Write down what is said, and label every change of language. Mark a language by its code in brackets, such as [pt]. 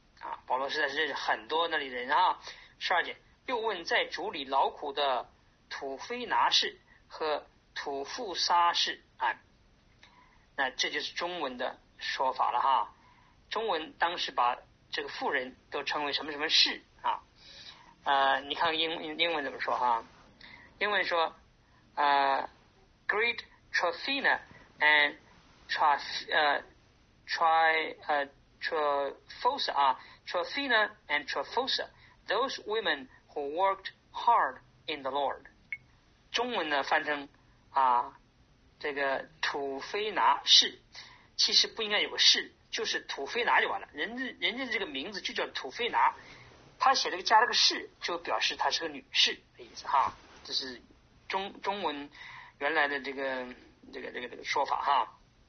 [zh] 啊，保罗实在是认识很多那里的人哈。十二节，又问在主里劳苦的土非拿氏和土富沙氏安。那这就是中文的说法了哈，中文当时把这个富人都称为什么什么氏啊。你看英文怎么说哈，英文说 [en] Greet Trophina and Trophosa 啊， Trophina and Trophosa, those women who worked hard in the Lord. [zh] 中文呢翻成啊这个土非拿氏，其实不应该有个氏，就是土非拿就完了，人家这个名字就叫土非拿，他写了个加了个氏，就表示他是个女士的意思哈。这是中文原来的这个说法哈。